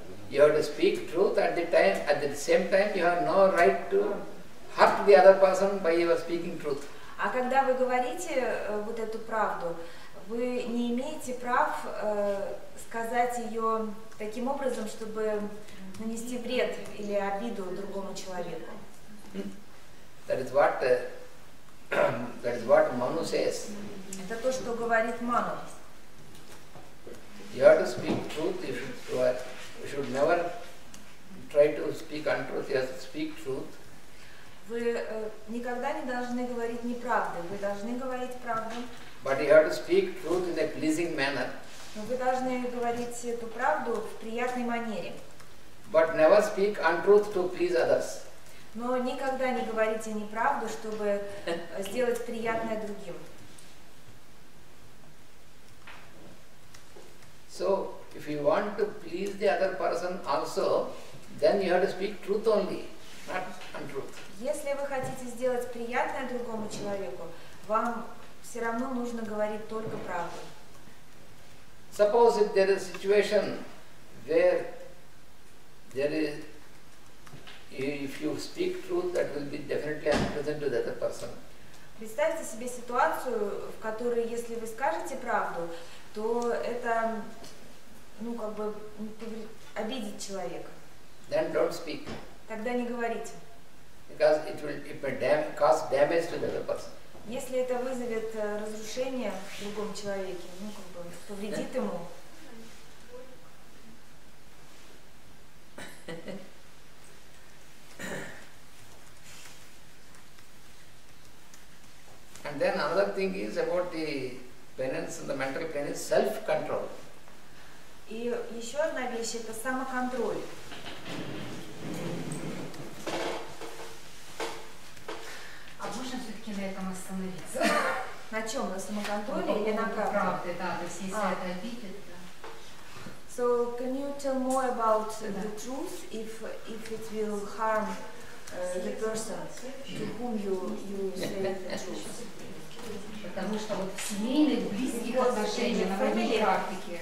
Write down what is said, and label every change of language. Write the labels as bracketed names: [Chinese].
[English] You have to speak truth at the same time you have no right to hurt the other person by your speaking truth. [Russian] А когда вы говорите вот эту правду, вы не имеете прав сказать ее таким образом, чтобы нанести вред или обиду другому человеку. [English] That is what Manu says. [Russian] Это то, что говорит Ману. [English] You have to speak truth. You should never try to speak untruth. You have to speak truth. [Russian] Вы никогда не должны говорить неправды. Вы должны говорить правду. [English] But you have to speak truth in a pleasing manner. [Russian] Но вы должны говорить эту правду в приятной манере. [English] But never speak untruth to please others. [Russian] Но никогда не говорите неправду, чтобы сделать приятное другим. [English] So, if you want to please the other person also, then you have to speak truth only, not untruth. [Russian] Если вы хотите сделать приятное другому человеку, вам все равно нужно говорить только правду. [English] Suppose if there is a situation where there is, if you speak truth, that will be definitely unpleasant to the other person. [Russian] Представьте себе ситуацию, в которой, если вы скажете правду, то это, ну, как бы, обидит человека. [English] Then don't speak. [Russian] Тогда не говорите. [English] Because it will, it will cause damage to the other person. [Russian] Если это вызовет разрушение в другом человеке, ну, как бы, повредит ему. [English] And then another thing is about the penance and the mental penance, self-control. [Russian] И еще одна вещь – это самоконтроль. А можно все-таки на этом остановиться? На чем? На самоконтроле или на правде? Правды, да. То есть если это обидит, да. [English] So, can you tell more about the truth, if it will harm the person to whom you say the truth? [Russian] Потому что вот в семейных, близких отношениях, на моей практике,